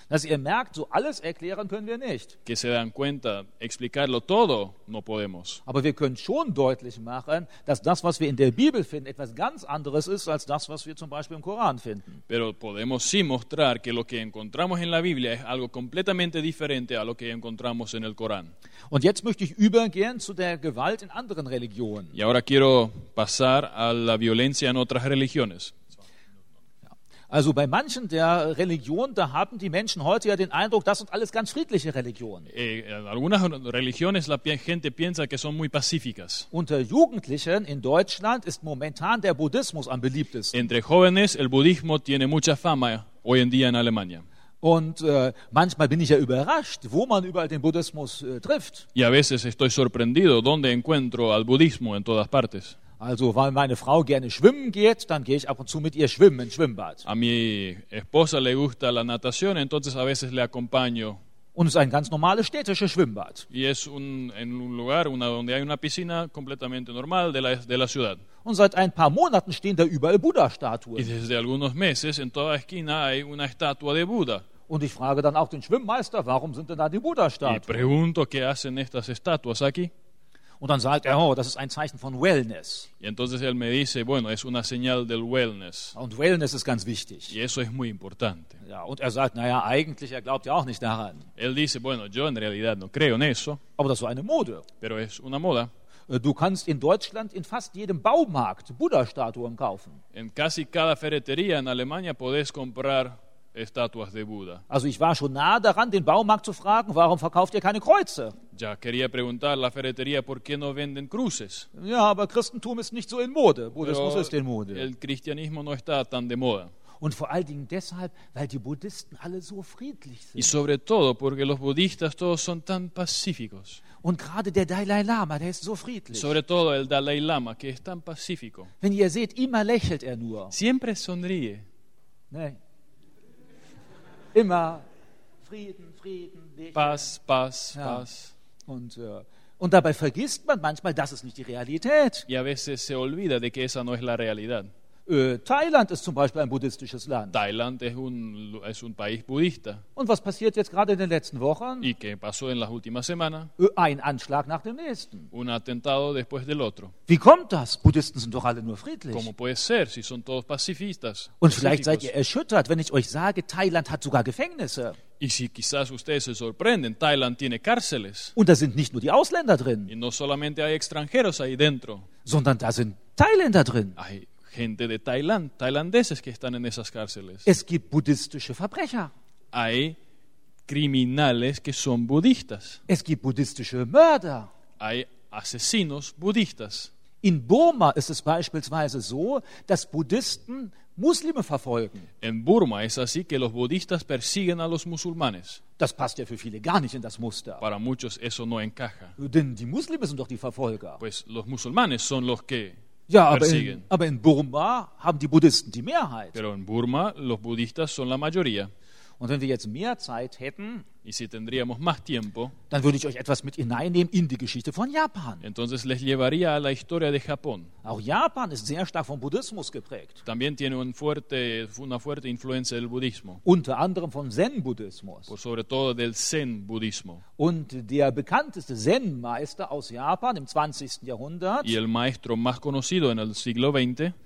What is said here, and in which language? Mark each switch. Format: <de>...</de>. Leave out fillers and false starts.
<de>Dass ihr merkt, so alles erklären können wir nicht.</de> <es>Que se dan cuenta, explicarlo todo no podemos.</es> <de>Aber wir können schon deutlich machen, dass das, was wir in der Bibel finden, etwas ganz anderes ist als das, was wir zum Beispiel im Koran finden.</de> <es>Pero podemos sí mostrar que lo que encontramos en la Biblia es algo completamente diferente a lo que encontramos en el Corán.</es> <de>Und jetzt möchte ich übergehen zu der Gewalt in anderen Religionen.</de> <es>Y ahora quiero pasar a la violencia en otras religiones.</es> <de>Also bei manchen der Religionen, da haben die Menschen heute ja den Eindruck, das sind alles ganz friedliche Religionen.</de> <es>En algunas religiones la gente piensa que son muy pacíficas.</es> <de>Unter Jugendlichen in Deutschland ist momentan der Buddhismus am beliebtesten.</de> <es>Entre jóvenes el budismo tiene mucha fama hoy en día en Alemania.</es> <de>Und manchmal bin ich ja überrascht, wo man überall den Buddhismus trifft.</de> <es>Y a veces estoy sorprendido donde encuentro al budismo en todas partes.</es> <de>Also, weil meine Frau gerne schwimmen geht, dann gehe ich ab und zu mit ihr schwimmen im Schwimmbad.</de> <es>A mi esposa le gusta la natación, entonces a veces le acompaño.</es> <de>Und es ist ein ganz normales städtisches Schwimmbad.</de> <es>Y es un en un lugar una donde hay una piscina completamente normal de la ciudad.</es> <de>Und seit ein paar Monaten stehen da überall Buddha-Statuen.</de> <es>Y desde algunos meses en toda esquina hay una estatua de Buddha.</es> <de>Und ich frage dann auch den Schwimmmeister, warum sind denn da die Buddha-Statuen?</de> <es>Y pregunto qué hacen estas estatuas aquí.</es> <de>Und dann sagt er, oh, das ist ein Zeichen von Wellness.</de> <es>Y entonces él me dice, bueno, es una señal del wellness.</es> <de>Und Wellness ist ganz wichtig.</de> <es>Y eso es muy importante.</es> <de>Ja, und er sagt, naja, eigentlich, er glaubt ja auch nicht daran.</de> <es>Él dice, bueno, yo en realidad no creo en eso.</es> <de>Aber das ist eine Mode.</de> <es>Pero es una moda.</es> <de>Du kannst in Deutschland in fast jedem Baumarkt Buddha-Statuen kaufen.</de> <es>En casi cada ferretería en Alemania podés comprar estatuas de Buddha.</es> <de>Also ich war schon nah daran, den Baumarkt zu fragen, warum verkauft ihr keine Kreuze?</de> <es>Ya quería preguntar la ferretería por qué no venden cruces.</es> <de>Ja, aber Christentum ist nicht so in Mode. Buddhismus ist in Mode.</de> <es>El cristianismo no está tan de moda.</es> <de>Und vor allen Dingen deshalb, weil die Buddhisten alle so friedlich sind.</de> <es>Y sobre todo porque los budistas todos son tan pacíficos.</es> <de>Und gerade der Dalai Lama, der ist so friedlich.</de> <es>Sobre todo el Dalai Lama, que es tan pacífico.</es> <de>Wenn ihr seht, immer lächelt er nur.</de> <es>Siempre sonríe.</es> <de>Nee. Immer Frieden, Frieden, Licht.</de> <es>Paz, Paz, ja. Paz.</es> <de>Und dabei vergisst man manchmal, das ist nicht die Realität.</de> <es>Y a veces se olvida de que esa no es la realidad.</es> <de>Thailand ist zum Beispiel ein buddhistisches Land.</de> <es>Thailand es un país budista.</es> <de>Und was passiert jetzt gerade in den letzten Wochen?</de> <es>Y qué pasó en las últimas semanas?</es> <de>Ein Anschlag nach dem nächsten.</de> <es>Un atentado después del otro.</es> <de>Wie kommt das? Buddhisten sind doch alle nur friedlich.</de> <es>¿Cómo puede ser si son todos pacifistas?</es> <de>Und vielleicht seid ihr erschüttert, wenn ich euch sage, Thailand hat sogar Gefängnisse.</de> <es>Y si quizás ustedes se sorprenden, Thailand tiene cárceles.</es> <de>Und da sind nicht nur die Ausländer drin.</de> <es>Y no solamente hay extranjeros ahí dentro.</es> <de>Sondern da sind Thailänder drin.</de> <es>Ay. Gente de Tailand, tailandeses que están en esas cárceles.</es> <de>Es gibt buddhistische Verbrecher.</de> <es>Hay criminales que son budistas.</es> <de>Es gibt buddhistische Mörder.</de> <es>Hay asesinos budistas.</es> <de>In Burma ist es beispielsweise so, dass Buddhisten Muslime verfolgen.</de> <es>En Burma es así que los budistas persiguen a los musulmanes.</es> <de>Das passt ja für viele gar nicht in das Muster.</de> <es>Para muchos eso no encaja.</es> <de>Denn die Muslime sind doch die Verfolger.</de> <es>Pues los musulmanes son los que...</es> <de>Ja, aber in Burma haben die Buddhisten die Mehrheit.</de> <es>Pero en Burma los budistas son la mayoría.</es> <de>Und wenn wir jetzt mehr Zeit hätten,</de> <es>y si tendríamos más tiempo,</es> <de>dann würde ich euch etwas mit hineinnehmen in die Geschichte von Japan.</de> <es>Entonces les llevaría a la historia de Japón.</es> <de>Auch Japan ist sehr stark vom Buddhismus geprägt.</de> <es>También tiene una fuerte influencia del budismo.</es> <de>Unter anderem vom Zen-Buddhismus.</de> <es>Por sobre todo del Zen-Budismo.</es> <de>Und der bekannteste Zen-Meister aus Japan im 20. Jahrhundert.</de> <es>Y el maestro más conocido en el siglo XX.</es>